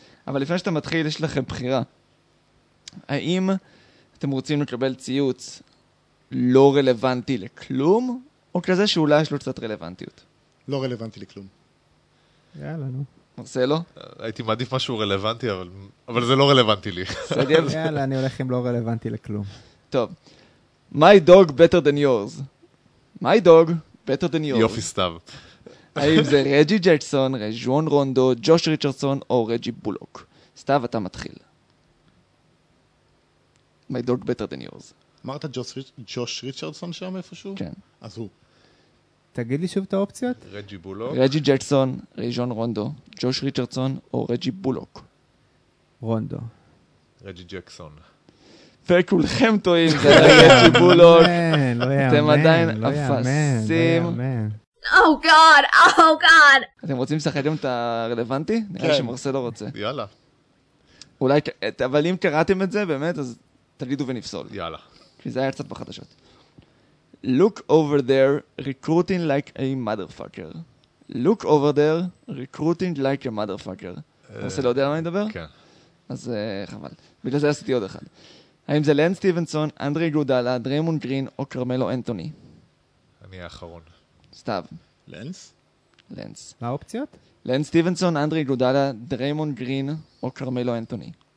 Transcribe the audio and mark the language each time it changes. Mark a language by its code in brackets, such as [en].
[he] אבל לפני שאתה מתחיל, יש לכם בחירה. האם אתם רוצים לקבל ציוץ לא רלוונטי לכלום? או כזה שאולי יש לו קצת רלוונטיות. לא רלוונטי לכלום. יאללה, נו. מרסלו? הייתי מעדיף משהו רלוונטי, אבל זה לא רלוונטי לי. סגב. יאללה, אני הולך עם לא רלוונטי לכלום. טוב. [en] My dog better than yours. My dog better than yours. [he] יופי סתיו. האם זה רג'י ג'קסון, רג'ון רונדו, ג'וש ריצ'רסון, או רג'י בולוק? סתיו, אתה מתחיל. [en] My dog better than yours. [he] אמרת ג'וש ריצ'רדסון שם איפשהו? כן. אז הוא. תגיד לי שוב את האופציות. רג'י בולוק. רג'י ג'קסון, רג'ון רונדו, ג'וש ריצ'רדסון או רג'י בולוק. רונדו. רג'י ג'קסון. וכולכם טועים, זה רג'י בולוק. אתם עדיין אפסים. [en] Oh God, oh God. [he] אתם רוצים לשחק גם את הרלוונטי? כן. נראה שמרסלו רוצה. יאללה. אולי, אבל אם קראתם את זה באמת, אז תגידו ונפסול. יאללה. כי זה היה קצת בחדשות. [en] Look over there, recruiting like a motherfucker. Look over there, recruiting like a motherfucker. [he] אתה רוצה להודיע על מה אני מדבר? כן. אז חבל. בגלל זה עשיתי עוד אחד. האם זה לן סטיבנסון, אנדרי גודלה, דריימון גרין או קרמלו אנטוני? אני האחרון. סתיו. לנס? לנס. מה האופציות? לן סטיבנסון, אנדרי גודלה, דריימון גרין או קרמלו אנטוני?